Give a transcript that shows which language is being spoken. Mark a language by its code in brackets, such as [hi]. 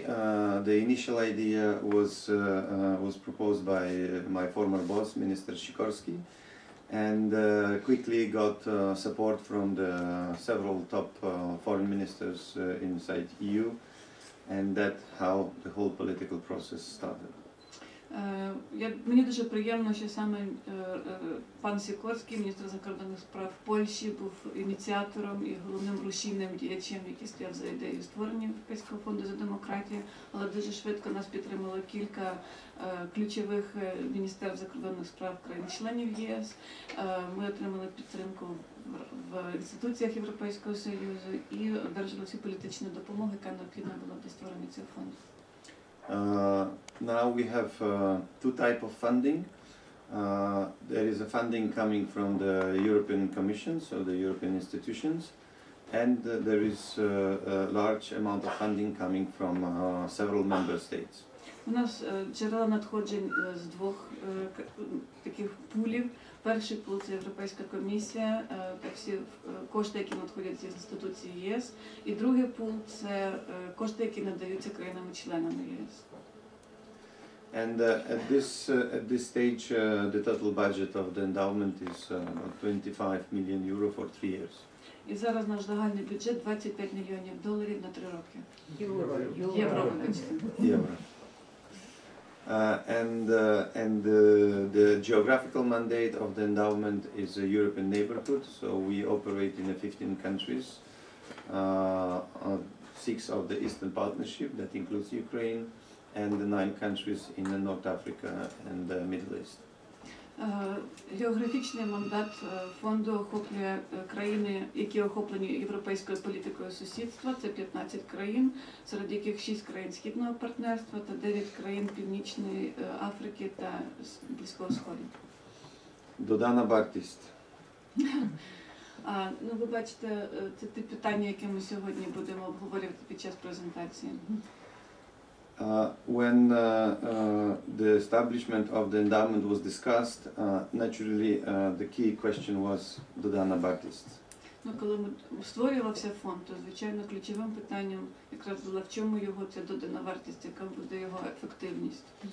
[en] The initial idea was proposed by my former boss, Minister Sikorski, and quickly got support from the several top foreign ministers inside EU, and that how the whole political process started. [uk] Мені дуже приємно, що саме пан Сікорський, міністр закордонних справ Польщі, був ініціатором і головним рушійним діячем, який стояв за ідеєю створення Європейського фонду за демократію. Але дуже швидко нас підтримало кілька ключових міністерств закордонних справ країн-членів ЄС. Ми отримали підтримку в інституціях Європейського Союзу і одержали всю політичну допомогу, яка необхідна була для створення цього фонду. [en] Now we have two type of funding. There is a funding coming from the European Commission, so the European institutions, and there is a large amount of funding coming from several member states. [uk] У нас джерела надходжень з двох таких пулів. Перший пул – це Європейська комісія, та всі кошти, які надходять з інституції ЄС. І другий пул – це кошти, які надаються країнами-членами ЄС. [en] And at this stage, the total budget of the endowment is 25 million euro for 3 years. [uk] І зараз наш загальний бюджет – 25 мільйонів доларів на 3 роки. Євро. Євро. [en] And the geographical mandate of the endowment is a European neighborhood, so we operate in 15 countries, 6 of the Eastern Partnership, that includes Ukraine, and the 9 countries in the North Africa and the Middle East. [uk] Географічний мандат фонду охоплює країни, які охоплені європейською політикою сусідства. Це 15 країн, серед яких 6 країн Східного партнерства та 9 країн Північної Африки та Близького Сходу. Додана вартість. Ну, ви бачите, це те питання, яке ми сьогодні будемо обговорювати під час презентації. [en] When the establishment of the endowment was discussed, naturally the key question was [uk] додана вартість. Ну, коли створювався фонд, то звичайно ключовим питанням якраз було, в чому його ця додана вартість, яка буде його ефективність.